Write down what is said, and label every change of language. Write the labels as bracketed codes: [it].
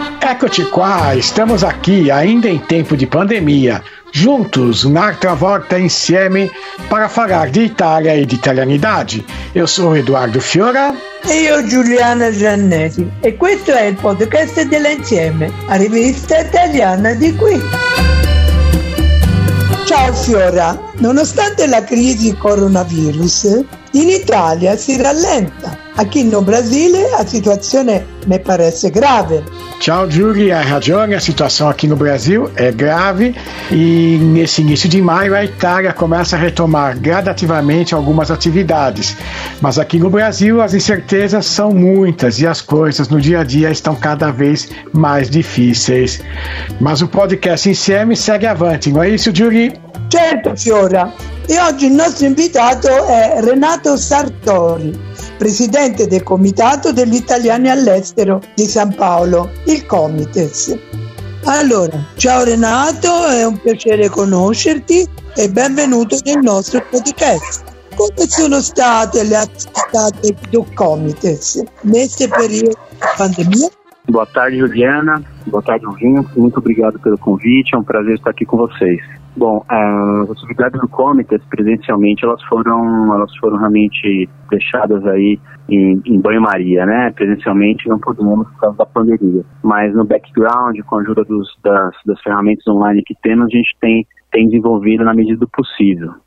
[it] Eccoci qua, [pt] estamos aqui ainda em tempo de pandemia, juntos, [it] n'altra volta insieme, [pt] para falar de Itália e de italianidade. Eu sou o Eduardo Fiora. [it] E io Giuliana Giannetti, e questo è il podcast dell'Insieme, a rivista italiana di qui. Ciao Fiora, nonostante la crisi coronavirus, in Italia si rallenta, [pt] aqui no Brasil a situazione me parece grave. [it] Ciao Giuli, hai ragione, [pt] a situação aqui no Brasil é grave e nesse início de maio a Itália começa a retomar gradativamente algumas atividades, mas aqui no Brasil as incertezas são muitas e as coisas no dia a dia estão cada vez mais difíceis. Mas o podcast Insieme segue avante, não é isso Giuli? [it] Certo Fiora, e oggi il nostro invitato è Renato Sartori, presidente del Comitato degli Italiani all'Estero di San Paolo, il Comites. Allora, ciao Renato, è un piacere conoscerti e benvenuto nel nostro podcast. Come sono state le attività del Comites in questo periodo di pandemia? [pt] Boa tarde, Juliana. Boa tarde, ouvintes. Muito obrigado pelo convite. É um prazer estar aqui com vocês. Bom, as atividades do Comites presencialmente, elas foram realmente deixadas aí em banho-maria, né? Presencialmente não podemos por causa da pandemia. Mas no background, com a ajuda das ferramentas online que temos, a gente tem desenvolvido na medida do possível.